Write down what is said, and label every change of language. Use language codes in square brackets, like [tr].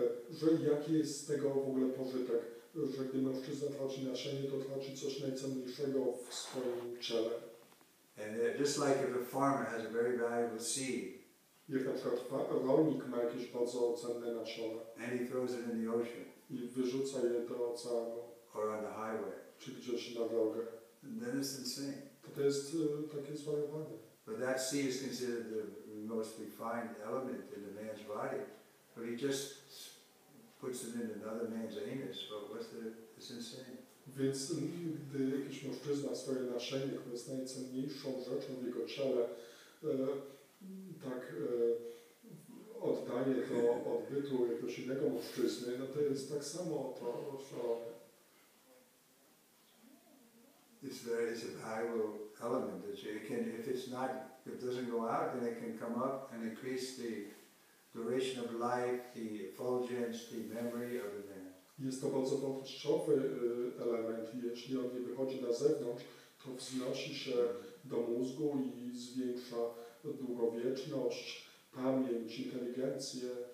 [pl] Że jaki jest z tego w ogóle pożytek? Że gdy mężczyzna traci nasienie, to traci coś najcenniejszego w swoim ciele. [en] And just like if a farmer has a very valuable seed. [pl] Jak na przykład rolnik ma jakieś bardzo cenne nasiona. [en] And he throws it in the ocean. [pl] I wyrzuca je do oceanu. [en] Or on the highway. [pl] Czy gdzieś na drogę. [en] And then it's insane. [pl] To jest takie zwariowanie. [en] But that sea is considered the most refined element in the man's body. But he just puts it in another man's anus. But what's the, it's insane. [pl] Więc gdy jakiś mężczyzna swoje nasienie, które jest najcenniejszą rzeczą w jego ciele, tak oddaje to odbytu jakiegoś innego mężczyzny, no to jest tak samo to, co... [en] It's a valuable element. If it's not, if it doesn't go out, then it can come up and increase the duration of life, the effulgence, the memory of the man. [pl] Jest to bardzo wartościowy element. Jeśli on nie wychodzi na zewnątrz, to wznosi się do mózgu i zwiększa długowieczność, pamięć, inteligencję.